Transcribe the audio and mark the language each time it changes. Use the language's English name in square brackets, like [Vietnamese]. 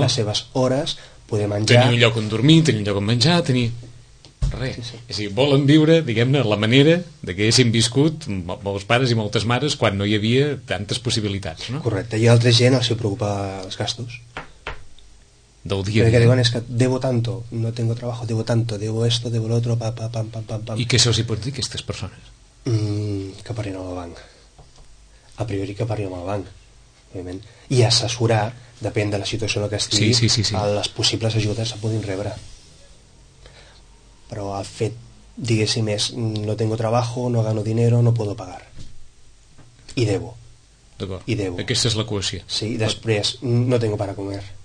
[Catalan] les seves hores... poder menjar. Tenir un lloc on dormir, tenir un lloc on menjar, tenir... Res. Sí, sí. És a dir, volen viure, diguem-ne, la manera de que haguéssim viscut molts pares i moltes mares quan no hi havia tantes possibilitats, no? Correcte. I altra gent els preocupa els gastos. Del dia a dia. El que diuen és que [Spanish] debo tanto, no tengo trabajo, debo tanto, debo esto, debo lo otro, pa, pa, pam, pam, pam, pam. [Catalan] I què se'ls hi pot dir, aquestes persones? Que parlin amb el banc. A priori que parlin amb el banc, òbviament. I assessorar, depèn de la situació en què estigui, sí. Les possibles ajudes se puguin rebre. Però el fet, diguéssim, és [Spanish] no tengo trabajo, no gano dinero, no puedo pagar. I debo. [Catalan] D'acord. [Spanish] I debo. [Catalan] Aquesta és l'equació. Sí, i després, [Spanish] no tengo para comer.